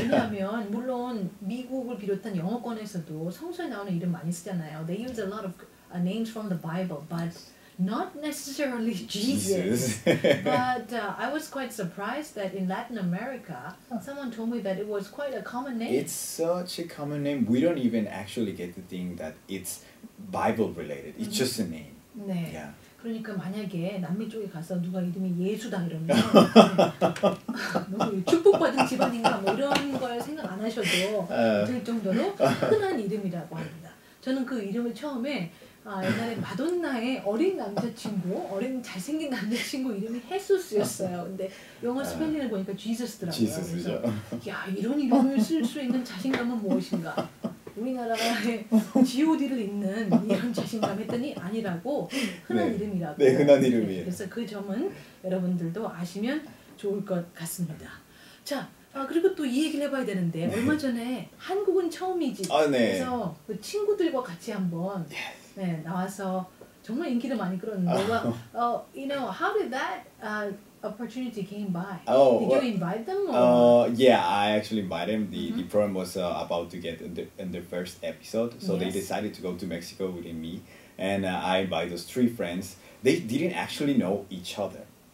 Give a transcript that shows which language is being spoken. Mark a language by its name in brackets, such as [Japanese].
[Korean] 왜냐하면, 물론, 미국을 비롯한 영어권에서도 성서에 나오는 이름 많이 쓰잖아요. [English] They use a lot of names from the Bible, but not necessarily Jesus. But I was quite surprised that in Latin America, someone told me that it was quite a common name. It's such a common name. We don't even actually get the thing that it's Bible related. It's just a name. [Korean] 네. [English] Yeah. [Korean] 그러니까 만약에 남미 쪽에 가서 누가 이름이 예수다 이러면 너무 축복받은 집안인가 뭐 이런 걸 생각 안 하셔도 될 정도로 흔한 이름이라고 합니다. 저는 그 이름을 처음에 옛날에 마돈나의 어린 남자친구, 어린 잘생긴 남자친구 이름이 헤수스였어요. 근데 영어 스펠링을 보니까 지저스더라고요. 지저스죠. 야, 이런 이름을 쓸 수 있는 자신감은 무엇인가? 우리나라의 GOD를 잇는 이런 자신감 했더니 아니라고 흔한 네. 이름이라고. 네, 흔한 이름이에요. 네, 그래서 그 점은 여러분들도 아시면 좋을 것 같습니다. 자, 그리고 또 이 얘기를 해봐야 되는데 네. 얼마 전에 한국은 처음이지. 아, 네. 그래서 그 친구들과 같이 한번 [English] yes. [Korean] 네, 나와서 정말 인기를 많이 끌었는데 [English] oh. You know, how did that opportunity came by? Oh, did well, you invite them? Yeah, I actually invited them. The program was about to get in the first episode, so yes. they decided to go to Mexico within me, and I invited those three friends. They didn't actually know each other.